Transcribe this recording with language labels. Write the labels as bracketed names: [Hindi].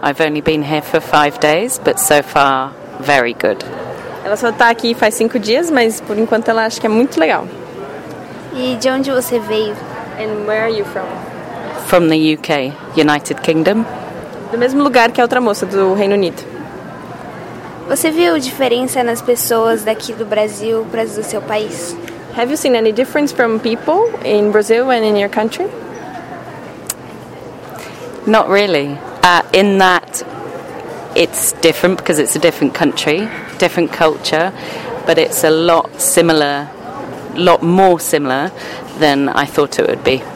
[English] I've only been here for 5 days, but so far, very good. [Portuguese] Ela só tá aqui faz 5 dias, mas por enquanto ela acha que é muito legal. E de onde você veio? [English] And where are you from? From the UK, United Kingdom. [Portuguese] Do mesmo lugar que a outra moça, do Reino Unido. Você viu diferença nas pessoas daqui do Brasil para as do seu país? [English] Have you seen any difference from people in Brazil and in your country? Not really. In that it's different because it's a different country, different culture, but it's a lot similar, lot more similar than I thought it would be.